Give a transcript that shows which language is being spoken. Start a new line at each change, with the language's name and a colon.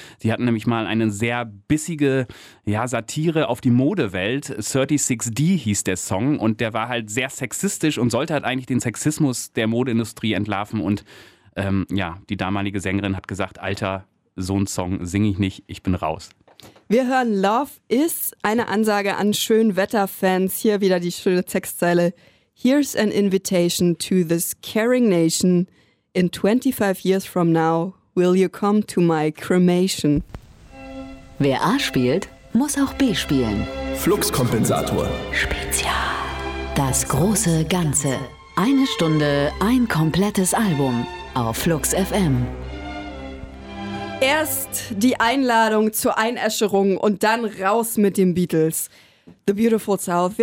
German: Die hatten nämlich mal eine sehr bissige Satire auf die Modewelt, 36D hieß der Song und der war halt sehr sexistisch und sollte halt eigentlich den Sexismus der Modeindustrie entlarven und die damalige Sängerin hat gesagt, Alter, so einen Song singe ich nicht, ich bin raus. Wir hören Love Is, eine Ansage an Schönwetterfans. Hier wieder die schöne Textzeile.
English: Here's an invitation to this caring nation. In 25 years from now, will you come to my cremation?
German: Wer A spielt, muss auch B spielen. Fluxkompensator. Spezial. Das große Ganze. Eine Stunde, ein komplettes Album. Auf Flux FM. Erst die Einladung zur Einäscherung und dann raus mit den Beatles. The Beautiful South.